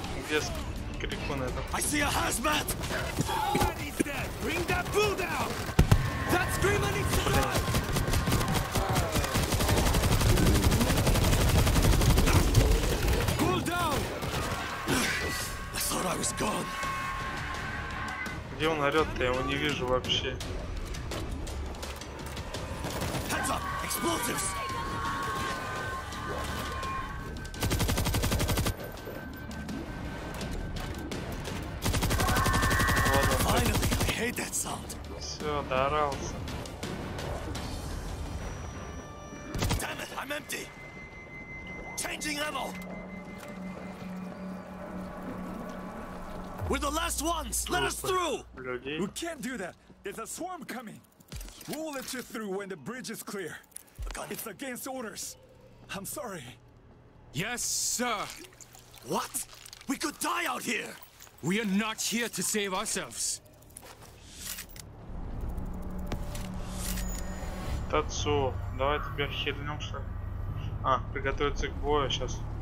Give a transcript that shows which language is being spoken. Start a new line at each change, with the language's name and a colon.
English: Yes, one of them. I see a hazmat. Somebody's dead. Bring that bull down. That screamer needs to die. Bull down. I thought I was gone.
Russian: Где он орёт-то? Я его не вижу вообще.
English: explosives! Finally, I hate that sound.
Russian: Все, дорался.
English: Damn it, I'm empty. Changing ammo. We're the last ones. Let us through. We can't do that. There's a swarm coming. We'll let you through when the bridge is clear. It's against orders. I'm sorry. Yes, sir. What? We could die out here. We are not here to save ourselves.
Russian: Тацу, давай теперь хильнем, что ли? А, приготовиться к бою сейчас.